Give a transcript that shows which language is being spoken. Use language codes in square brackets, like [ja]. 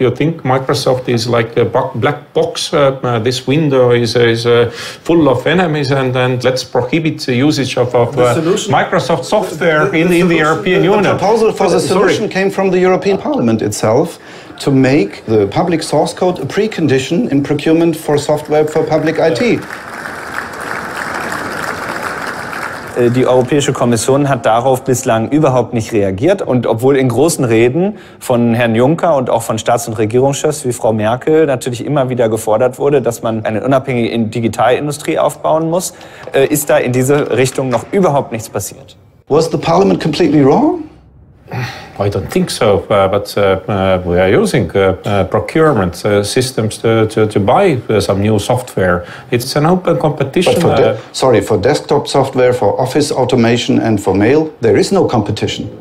[en] You think Microsoft is like a black box? This window is full of enemies and let's prohibit the usage of Microsoft software in the European Union. The proposal for the solution came from the European Parliament itself to make the public source code a precondition in procurement for software for public IT. [de] Die Europäische Kommission hat darauf bislang überhaupt nicht reagiert. Und obwohl in großen Reden von Herrn Juncker und auch von Staats- und Regierungschefs wie Frau Merkel natürlich immer wieder gefordert wurde, dass man eine unabhängige Digitalindustrie aufbauen muss, ist da in diese Richtung noch überhaupt nichts passiert. [en] Was the Parliament completely wrong? I don't think so, but we are using procurement systems to buy some new software. It's an open competition. But for desktop software, for office automation and for mail, there is no competition.